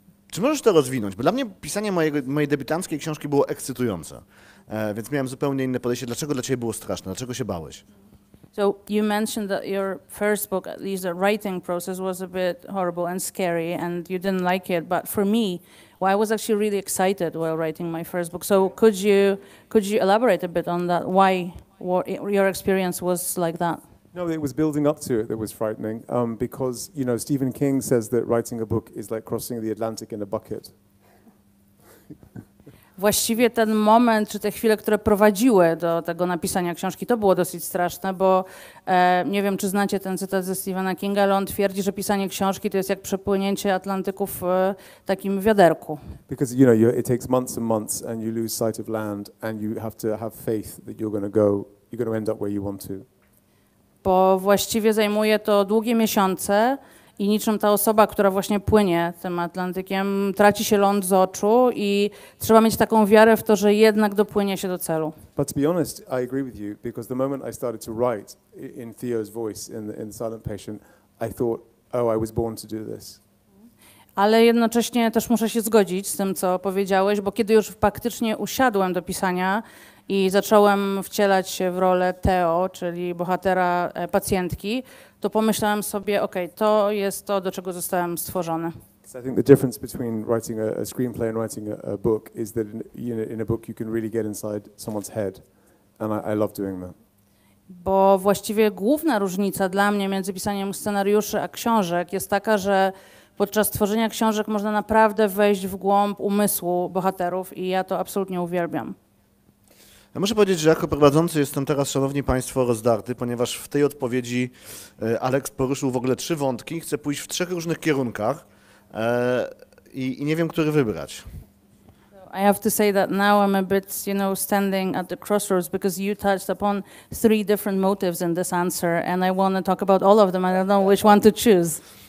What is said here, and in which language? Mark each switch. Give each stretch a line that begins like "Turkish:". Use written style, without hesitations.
Polish: Czy możesz to rozwinąć? Bo dla mnie pisanie mojej debiutanckiej książki było ekscytujące, więc miałem zupełnie inne podejście. Dlaczego dla ciebie było straszne? Dlaczego się bałeś?
English: So you mentioned that your first book, at least the writing process, was a bit horrible and scary and you didn't like it, but for me, well, I was actually really excited while writing my first book. So could you elaborate a bit on that? Why? What your experience was like that? No, it was building up to it that was frightening. Because, you know, Stephen King says that writing a book is like crossing the Atlantic in a bucket.
Polish: Właściwie ten moment, czy te chwile, które prowadziły do tego napisania książki, to było dosyć straszne, bo nie wiem, czy znacie ten cytat ze Stephena Kinga, ale on twierdzi, że pisanie książki to jest jak przepłynięcie Atlantyku w takim wiaderku.
English: Because, you know, it takes months and months and you lose sight of land and you have to have faith that you're going to end up where you want to.
Polish: Bo właściwie zajmuje to długie miesiące, i niczym ta osoba, która właśnie płynie tym Atlantykiem, traci się ląd z oczu i trzeba mieć taką wiarę w to, że jednak dopłynie się do celu.
English: But to be honest, I agree with you, because the moment I started to write in Theo's voice in Silent Patient, I thought, oh, I was born to do this.
Polish: Ale jednocześnie też muszę się zgodzić z tym, co powiedziałeś, bo kiedy już faktycznie usiadłem do pisania i zacząłem wcielać się w rolę Theo, czyli bohatera pacjentki, to pomyślałem sobie, okej, to jest to, do czego zostałem stworzony.
English: So I think the difference between writing a screenplay and writing a book is that in a book you can really get inside someone's head. And I love doing that.
Polish: Bo właściwie główna różnica dla mnie między pisaniem scenariuszy a książek jest taka, że podczas tworzenia książek można naprawdę wejść w głąb umysłu bohaterów i ja to absolutnie uwielbiam. Ja muszę powiedzieć, że jako prowadzący jestem teraz, szanowni państwo, rozdarty, ponieważ w tej odpowiedzi Aleks poruszył w ogóle trzy wątki. Chcę pójść w trzech różnych kierunkach i nie wiem, który wybrać.
English: So I have to say that now I'm a bit, you know, standing at the crossroads because you touched upon three different motives in this answer and I want to talk about all of them. I don't know which one to choose.